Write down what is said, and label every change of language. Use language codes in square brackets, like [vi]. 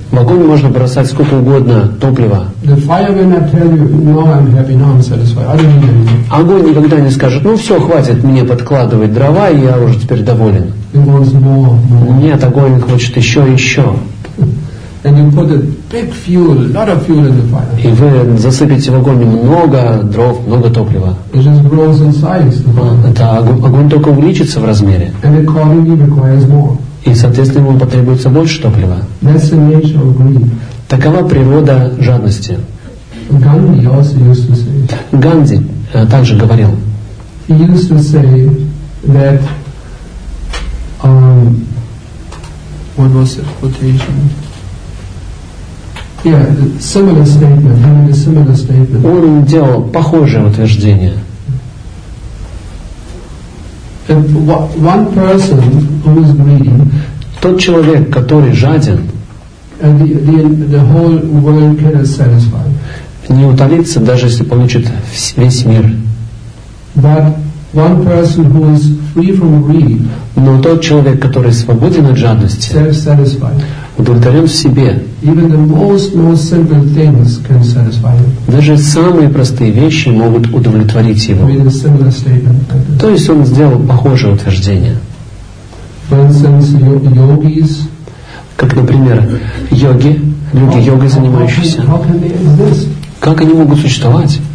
[ru] В огонь можно бросать сколько угодно топлива. [en] The fire will not tell you, no, I'm happy, no, I'm satisfied. I don't need anything. [ru] Огонь никогда не скажет, ну все, хватит мне подкладывать дрова, и я уже теперь доволен. [en] It wants more. [ru] Нет, огонь хочет еще и еще. [en] And you put a big fuel, a lot of fuel in the fire. [ru] И вы засыпете в огонь много дров, много топлива. [en] It just grows in size. [ru] Это огонь только увеличится в размере. [en] And accordingly requires more. [ru] И, соответственно, ему потребуется больше топлива. [en] That's the nature of greed. [ru] Такова природа жадности. [en] Gandhi also used to say. [ru] Ганди также говорил. [en] He used to say that what was the quotation? Yeah, similar statement. Having a similar statement. [ru] Он делал похожее утверждение. [en] One person who is greedy. [ru] Тот человек, который жаден. [en] And the whole world cannot satisfy. [ru] Не утолится, даже если получит весь мир. [en] But one person who is free from greed. [ru] Но тот человек, который свободен от жадности. [en] Self-satisfied. [ru] Удовлетворен в себе. [en] Even the most simple things can satisfy him. [ru] Даже самые простые вещи могут удовлетворить его. [en] Made a similar statement. [ru] То есть он сделал похожее утверждение. [en] For instance, yogis. [ru] Как, например, йоги, люди йогой занимающиеся, как они могут существовать?